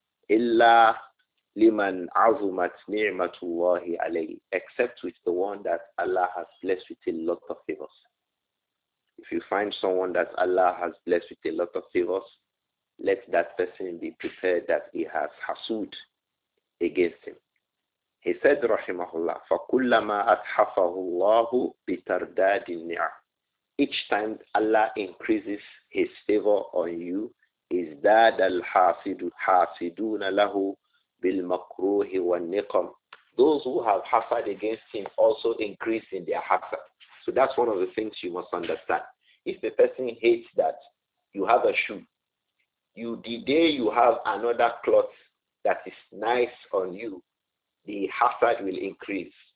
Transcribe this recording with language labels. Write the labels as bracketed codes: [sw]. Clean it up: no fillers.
[ar] إِلَّا لِمَنْ عَظُمَتْ نِعْمَةُ اللَّهِ عَلَيْهِ. [en] Except with the one that Allah has blessed with a lot of favors. If you find someone that Allah has blessed with a lot of favors, let that person be prepared that he has hasud against him. He said, rahimahullah, [ar] فَكُلَّمَا أَتْحَفَهُ اللَّهُ بِتَرْدَادِ النِّعَ. [en] Each time Allah increases his favor on you, [ar] إِزْدَادَ الْحَاسِدُونَ لَهُ بِالْمَكْرُوهِ وَالنِّقَمِ. [en] Those who have hasad against him also increase in their hasad. So that's one of the things you must understand. If a person hates that, you have a shoe, the day you have another cloth that is nice on you, the hasad will increase.